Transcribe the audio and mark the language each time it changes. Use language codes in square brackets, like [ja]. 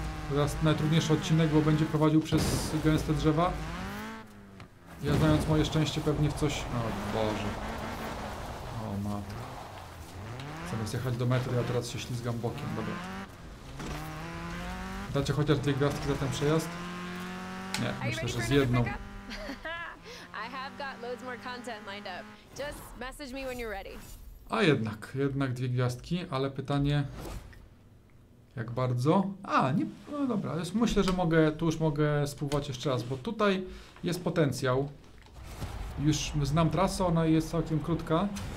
[pl] Teraz najtrudniejszy odcinek, bo będzie prowadził przez gęste drzewa. Ja znając moje szczęście pewnie w coś. O Boże. O matko. Zamiast jechać do metry, ja teraz się ślizgam bokiem, dobra. Dacie chociaż 2 gwiazdki za ten przejazd? Nie, myślę, że z jedną. [en] I have got loads more content lined up. Just message me when you're ready. [pl] A jednak 2 gwiazdki, ale pytanie jak bardzo? A, nie, no dobra, już myślę, że mogę, tu już mogę spróbować jeszcze raz, bo tutaj jest potencjał. Już znam trasę, ona jest całkiem krótka.